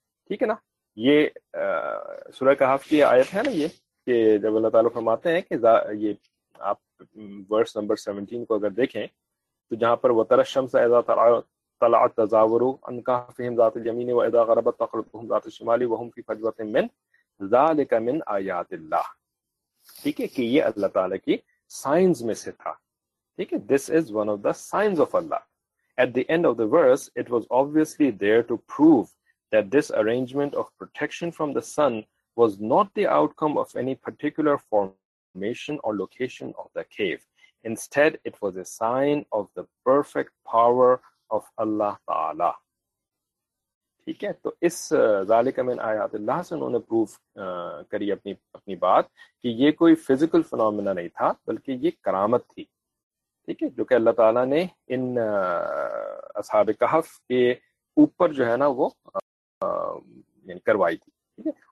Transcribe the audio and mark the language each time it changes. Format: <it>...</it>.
<ur>ٹھیک ہے نا, یہ سورہ کہف کی آیت ہے نا یہ, کہ جب اللہ تعالیٰ فرماتے ہیں کہ یہ آپ ورس نمبر 17 کو اگر دیکھیں تو جہاں پر وہ</ur> <ar>تر الشمس اذا طلعت تزاور عن كهفهم ذات اليمين واذا غربت تقرضهم ذات الشمال وهم في فجوه من ذلك من ايات الله,</ar> <ur>ٹھیک ہے, کہ یہ اللہ تعالی کی سائنز میں سے تھا, ٹھیک ہے.</ur> <en>This is one of the signs of Allah. At the end of the verse it was obviously there to prove that this arrangement of protection from the sun was not the outcome of any particular form formation or location of the cave. Instead, it was a sign of the perfect power of Allah Ta'ala.</en> <ur>ٹھیک ہے, تو اس ذالک من آیات اللہ سے انہوں نے proof کری اپنی بات کہ یہ کوئی فزیکل فنومنا نہیں تھا بلکہ یہ کرامت تھی, ٹھیک ہے, جو کہ اللہ تعالیٰ نے ان اصحاب کہف کے اوپر جو ہے نا وہ یعنی کروائی تھی, ٹھیک ہے.</ur>